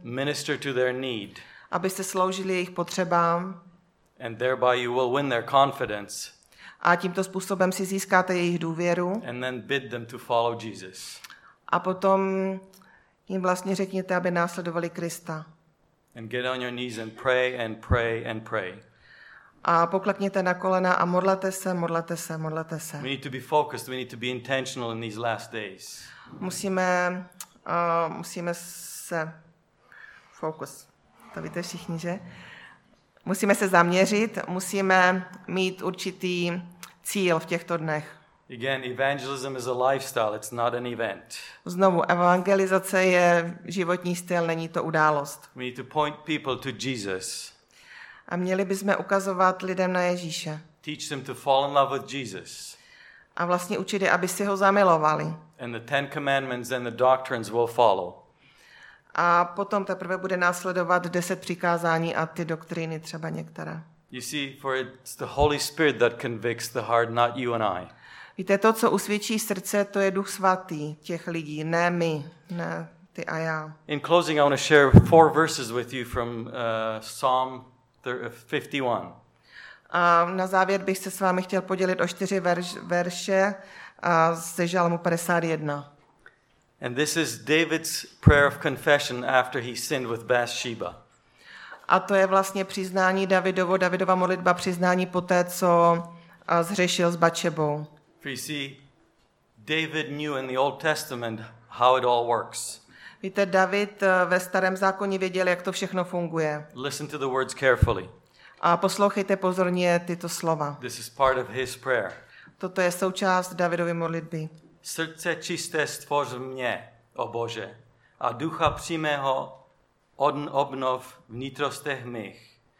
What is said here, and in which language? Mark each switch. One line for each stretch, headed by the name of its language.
English: Minister to their need.
Czech: Abyste sloužili jejich potřebám.
English: And thereby you will win their confidence.
Czech: A tímto způsobem si získáte jejich důvěru.
English: And then bid them to follow Jesus.
Czech: A potom jim vlastně řekněte, aby následovali Krista.
English: And get on your knees and pray and pray and pray.
Czech: A poklekněte na kolena a modlete se, modlete se, modlete se.
English: We need to be focused, we need to be intentional in these last days.
Czech: Musíme se focus. To víte všichni, že? Musíme se zaměřit, musíme mít určitý cíl v těchto dnech.
English: Again, evangelism is a lifestyle, it's not an event.
Czech: Znovu, evangelizace je životní styl, není to událost.
English: We need to point people to Jesus.
Czech: A měli bychom ukazovat lidem na Ježíše.
English: Teach them to fall in love with Jesus.
Czech: A vlastně učit je, aby si ho zamilovali.
English: And the Ten Commandments and the doctrines will follow.
Czech: A potom teprve bude následovat 10 přikázání a ty doktriny třeba některé.
English: You see, for it's the Holy Spirit that convicts the heart, not you and I.
Czech: Víte, to, co usvědčí srdce, to je Duch Svatý těch lidí, ne my, ne ty a já.
English: In closing, I want to share 4 verses with you from Psalm 51.
Czech: A na závěr bych se s vámi chtěl podělit o 4 verše ze Žalmu 51.
English: And this is David's prayer of confession after he sinned with Bathsheba.
Czech: A to je vlastně přiznání Davidovo, Davidova modlitba přiznání poté, co zhřešil s Batšebou.
English: For you see, David knew in the Old Testament how it all works.
Czech: Víte, David ve Starém zákoně věděl, jak to všechno funguje.
English: Listen to the words carefully.
Czech: A poslouchejte pozorně tyto slova.
English: This is part of his prayer.
Czech: Toto je součást Davidovy modlitby. Srdce čisté stvoř mě, o Bože, a ducha přímého obnov vnitrostech mých.